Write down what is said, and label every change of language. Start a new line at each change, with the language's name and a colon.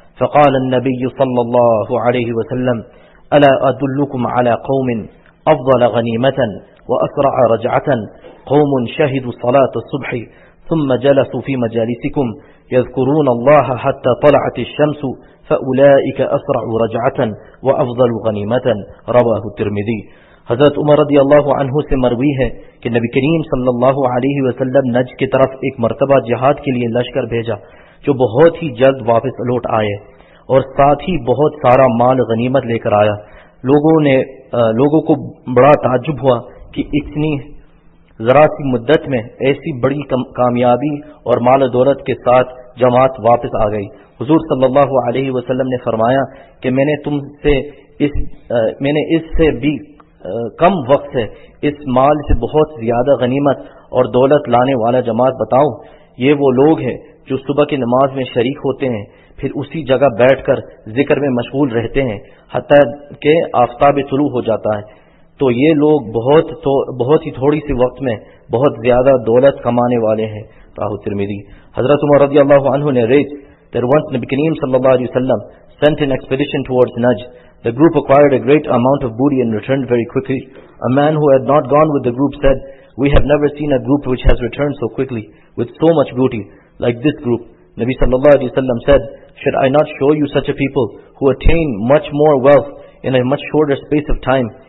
Arabic: فقال النبي صلى الله عليه وسلم: ألا أدلكم على قوم أفضل غنيمة وأسرع رجعة؟ قوم شهدوا صلاة الصبح ثم جلسوا في مجالسكم يذكرون الله حتى طلعت الشمس، فأولئك أسرع رجعة وأفضل غنيمة. رواه الترمذي.
Urdu: حضرت عمر رضی اللہ عنہ سے مروی ہے کہ نبی کریم صلی اللہ علیہ وسلم نج کی طرف ایک مرتبہ جہاد کے لیے لشکر بھیجا، جو بہت ہی جلد واپس لوٹ آئے اور ساتھ ہی بہت سارا مال غنیمت لے کر آیا. لوگوں کو بڑا تعجب ہوا کہ اتنی ذرا سی مدت میں ایسی بڑی کامیابی اور مال و دولت کے ساتھ جماعت واپس آ گئی. حضور صلی اللہ علیہ وسلم نے فرمایا کہ میں نے اس سے بھی کم وقت سے اس مال سے بہت زیادہ غنیمت اور دولت لانے والا جماعت بتاؤں. یہ وہ لوگ ہیں جو صبح کی نماز میں شریک ہوتے ہیں، پھر اسی جگہ بیٹھ کر ذکر میں مشغول رہتے ہیں حتیٰ کہ آفتاب طلوع ہو جاتا ہے. تو یہ لوگ بہت ہی تھوڑی سی وقت میں بہت زیادہ دولت کمانے والے ہیں. راہ ترمذی. حضرت عمر رضی اللہ عنہ نے
English: that once Nabi Kareem sallallahu alayhi wa sallam sent an expedition towards Najd, the group acquired a great amount of booty and returned very quickly. A man who had not gone with the group said, "We have never seen a group which has returned so quickly with so much booty like this group." Nabi sallallahu alayhi wa sallam said, "Should I not show you such a people who attain much more wealth in a much shorter space of time?